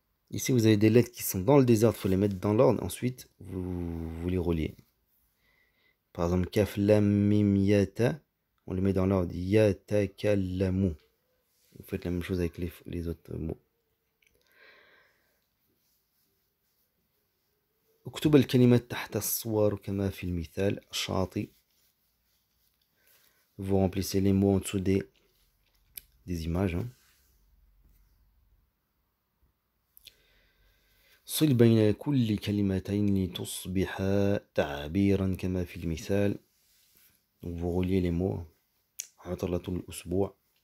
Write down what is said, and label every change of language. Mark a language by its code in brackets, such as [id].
[fr] Ici, vous avez des lettres qui sont dans le désordre. Il faut les mettre dans l'ordre. Ensuite, vous les reliez. Par exemple, kaf lam mim yata, on les met dans l'ordre. [ar] Yata kalamu. [fr] Vous faites la même chose avec les autres mots. [ar] اكتب الكلمات تحت الصور كما في المثال شاطي. [fr] Vous remplissez les mots en dessous des images. Hein. [ar] صل بين كل كلمتين لتصبح تعبيرا كما في المثال. [fr] Vous reliez les mots. [ar] عطلة الأسبوع.